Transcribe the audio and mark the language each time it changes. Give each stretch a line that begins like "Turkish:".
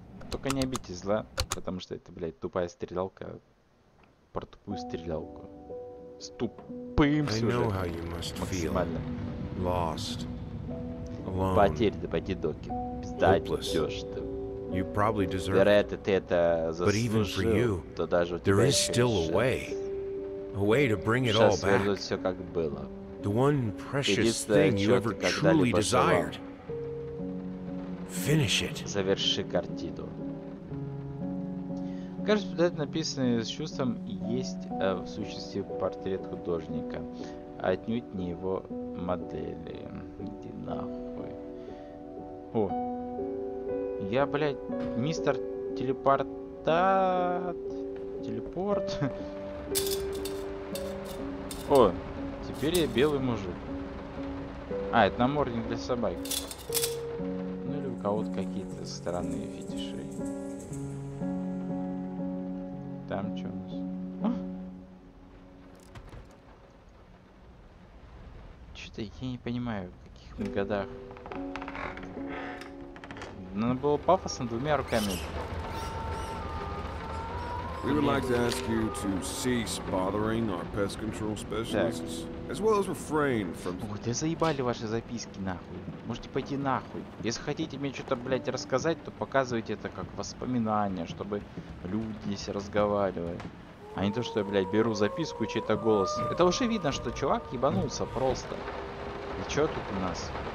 Russian: Только не обидьте зла, потому что это, блядь, тупая стрелялка. Про тупую стрелялку. С тупым сюжетом. Максимально.
English: Lost.
Russian: Потерь, да пойди, доки. Пиздать идёшь ты.
English: You probably deserve.
Russian: Вероятно, ты это заслужил,
English: you,
Russian: то даже у тебя есть
English: a way to bring it all back.
Russian: Сейчас вернуть всё, как было.
English: The one precious thing you ever truly desired. Finish it.
Russian: Заверши картину. Кажется, это написано с чувством, есть в сущности портрет художника, а отнюдь не его модели. Иди нахуй. О. Я, блядь, мистер телепортат. Телепорт. О, теперь я белый мужик. А, это намордник для собак. Ну или у кого-то какие-то странные фетиши. Там что у нас? А? Что-то я не понимаю, в каких мы годах. Надо было пафосно двумя руками.
English: We would like to ask you to cease bothering our pest control specialists, as well as refrain from.
Russian: Ой, да заебали ваши записки нахуй. Можете пойти нахуй. Если хотите мне что-то, блядь, рассказать, то показывайте это как воспоминание, чтобы люди здесь разговаривали. А не то, что я, блядь, беру записку и чей-то голос. Это уже видно, что чувак ебанулся просто. И чё тут у нас?